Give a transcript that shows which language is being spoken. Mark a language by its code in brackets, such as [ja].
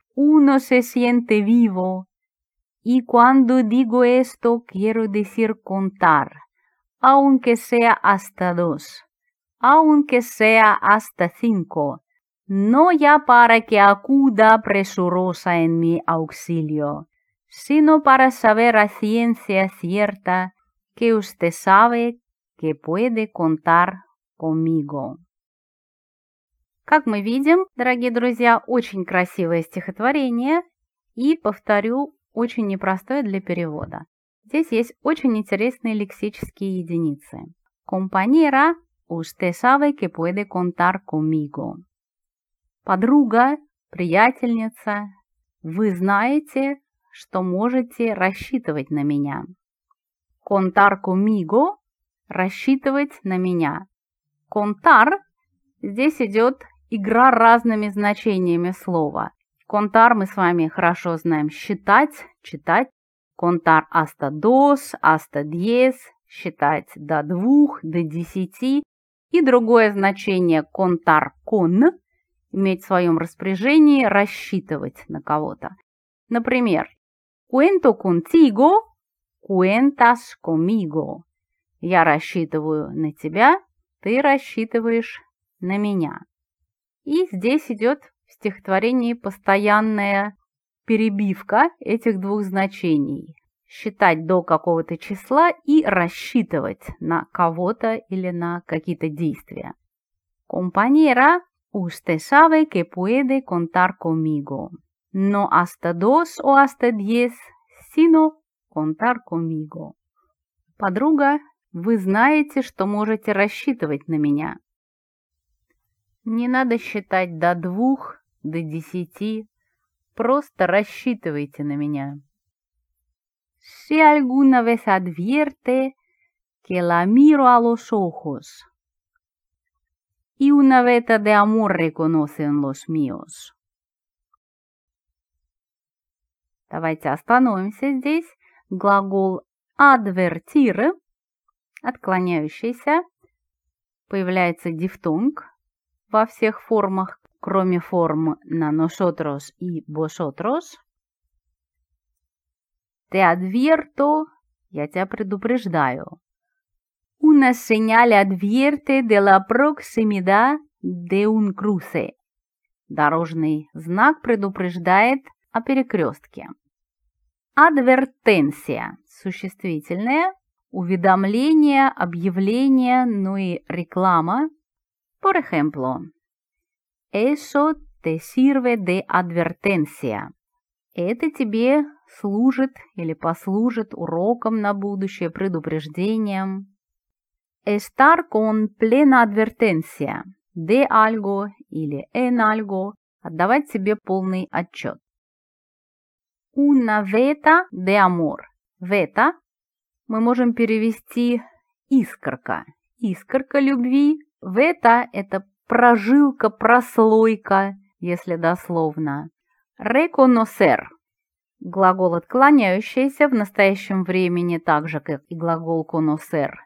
[es] Uno se siente vivo. Y cuando digo esto, quiero decir contar, aunque sea hasta dos, aunque sea hasta cinco, no ya para que acuda presurosa en mi auxilio, sino para saber a ciencia cierta que usted sabe que puede contar conmigo. [ru] Как мы видим, дорогие друзья, очень красивое стихотворение, и повторю, очень непростое для перевода. Здесь есть очень интересные лексические единицы. [es] Compañera, usted sabe que puede contar conmigo. [ru] Подруга, приятельница, вы знаете, что можете рассчитывать на меня. [es] Contar conmigo, [ru] рассчитывать на меня. Contar, здесь идет игра разными значениями слова. Contar мы с вами хорошо знаем считать, читать. [es] Contar hasta dos, hasta diez, [ru] считать до двух, до десяти. И другое значение contar con, иметь в своем распоряжении, рассчитывать на кого-то. [es] Например, cuento contigo, cuentas conmigo. [ru] Я рассчитываю на тебя, ты рассчитываешь на меня. И здесь идет в стихотворении постоянная перебивка этих двух значений. Считать до какого-то числа и рассчитывать на кого-то или на какие-то действия. [es] Compañera, usted sabe que puede contar conmigo. No hasta dos o hasta diez, sino contar conmigo. [ru] Подруга, вы знаете, что можете рассчитывать на меня. Не надо считать до двух, до десяти. Просто рассчитывайте на меня. [es] Si alguna vez advierte que la miro a los ojos y una veta de amor reconoce en los míos. [ru] Давайте остановимся здесь. глагол «advertire», отклоняющийся, появляется дифтонг во всех формах, кроме форм на «nosotros» и «vosotros». [es] «Te advierto» [ru] – «я тебя предупреждаю». [es] «Una señal advierte de la proximidad de un cruce» – [ru] «дорожный знак предупреждает о перекрестке». «Advertencia» – «существительное», «уведомление», «объявление», ну и «реклама». Por ejemplo, [es] «Eso te sirve de advertencia» [ru] – «это тебе служит или послужит уроком на будущее, предупреждением». [es] Estar con plena advertencia de algo или en algo – [ru] отдавать себе полный отчет. [es] Una veta de amor. [ru] Veta – мы можем перевести искорка. Искорка любви. Veta – это прожилка, прослойка, если дословно. Reconocer – глагол отклоняющийся в настоящем времени, так же, как и глагол conocer.